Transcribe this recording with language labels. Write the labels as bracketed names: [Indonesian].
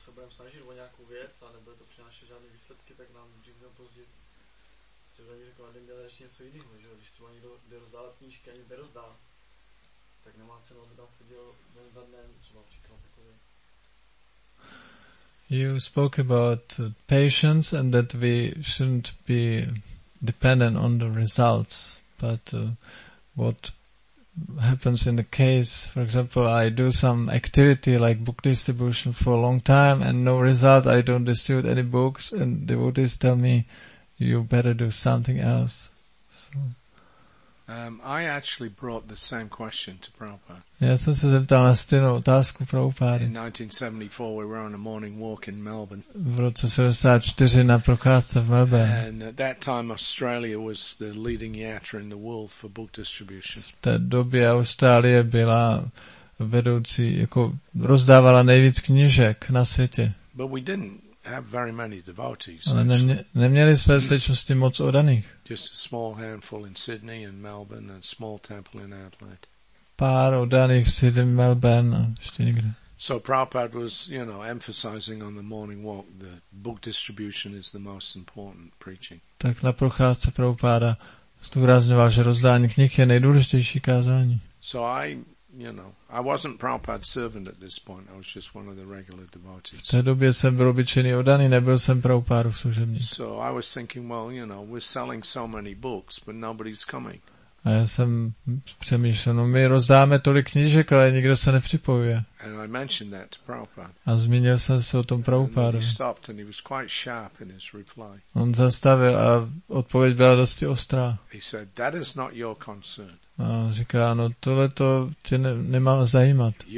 [Czech] Snažit o nějakou věc a nebude to přinášet žádné výsledky, tak nám dřív nebo později se za ní řekl, ale děláte ještě něco jiného, že? Když třeba někdo jde rozdávat knížky a nic nerozdá, tak nemá cenu, aby tam chodil den za dnem, třeba příklad takový. [English] You spoke about patience and that we shouldn't be dependent on the results, but what happens in the case, for example, I do some activity like book distribution for a long time and no result, I don't distribute any books, and devotees tell me you better do something else. So, I actually brought the same question to Prabhupada. [Czech] Já jsem se zeptal na stejnou otázku Prabhupada. [English] In 1974 we were on a morning walk in Melbourne. [Czech] V roce 1974 na procházce v Melbourne. [English] And at that time Australia was the leading yatra in the world for book distribution. [Czech] V té době Austrálie byla vedoucí, jako rozdávala nejvíc knížek na světě. [English] But we didn't have very many devotees. [Czech] Ale neměli jsme skutečnosti moc odaných. [English] Just a small handful in Sydney and Melbourne and small temple in Adelaide. [Czech] Pár odaných v Sydney, Melbourne a ještě někde. [English] So Prabhupada was, you know, emphasizing on the morning walk that book distribution is the most important preaching. [Czech] Tak na procházce Prabhupada zdůrazňoval, že rozdání knih je nejdůležitější kázání. [English] So I wasn't Prabhupada's servant at this point. I was just one of the regular devotees. [Czech] V té době jsem byl obyčejný oddaný, nebyl jsem Prabhupádův služebník. [English] So I was thinking, well, you know, we're selling so many books, but nobody's coming. [Czech] A já jsem přemýšlel, no my rozdáme tolik knížek, ale nikdo se nepřipojuje. [English] And I mentioned that to Prabhupada. [Czech] A zmínil jsem se o tom Prabhupádovi. [English] He stopped and he was quite sharp in his reply. [Czech] On zastavil a odpověď byla dosti ostrá. [English] He said, that is not your concern. [Czech] A říká, no tohle to tě nemá zajímat.